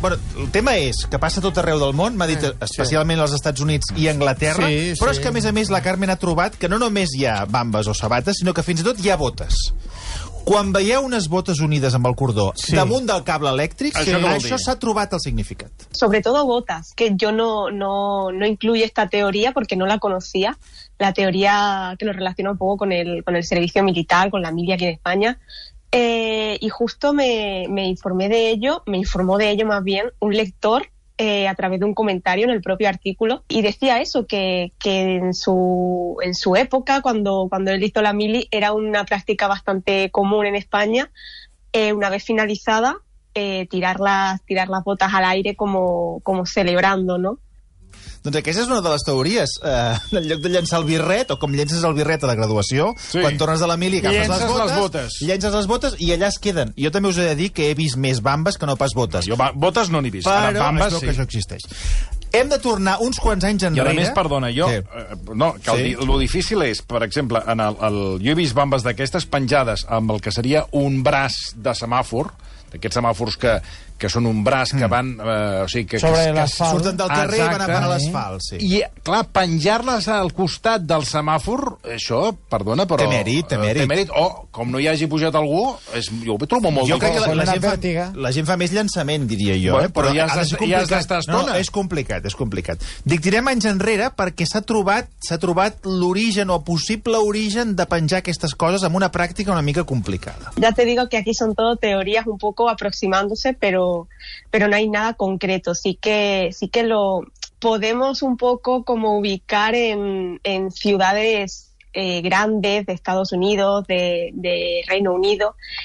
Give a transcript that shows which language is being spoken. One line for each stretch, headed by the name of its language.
Catalan: Bueno, el tema és que passa tot arreu del món, m'ha dit especialment als Estats Units i Anglaterra, però és que a més la Carmen ha trobat que no només hi ha bambes o sabates, sinó que fins i tot hi ha botes. Quan veieu unes botes unides amb el cordó damunt del cable elèctric, això s'ha trobat el significat. Sobretot botes, que jo
Spanish: no incluye esta teoría porque no la conocía. La teoría que lo relaciona un poco con el servicio militar, con la milia aquí en España. Y justo me informó de ello más bien un lector a través de un comentario en el propio artículo, y decía eso, que en su época, cuando él hizo la mili, era una práctica bastante común en España, una vez finalizada, tirar las botas al aire como celebrando, ¿no?
Catalan: Doncs aquesta és una de les teories. En lloc de llençar el birret, o com llences el birret a la graduació, sí, quan tornes de la mili, agafes llences les botes i allà es queden. Jo també us he de dir que he vist més bambes que no pas botes. Jo botes no n'hi he vist, però ara bambes sí. Però que això existeix. Hem de tornar uns quants anys enrere. I a més, perdona, jo... Sí. No, cal dir, lo difícil és, per exemple, jo he vist bambes d'aquestes penjades amb el que seria un braç de semàfor, d'aquests semàfors que són un braç que van... Sobre l'asfalt. Surten del carrer, exacte, i van a parar l'asfalt, sí. I, clar, penjar-les al costat del semàfor, això, perdona, però... Té mèrit. O, com no hi hagi pujat algú, jo ho trobo molt difícil. Jo crec que la gent fa més llançament, diria jo. Bueno, però ja has d'estar estona. No, és complicat. Dic, tirem anys enrere perquè s'ha trobat l'origen o possible origen de penjar aquestes coses amb una pràctica una mica complicada.
Spanish: Ya te digo que aquí son todo teorías un poco aproximándose, pero no hay nada concreto. Sí que lo podemos un poco como ubicar en ciudades grandes de Estados Unidos, de Reino Unido.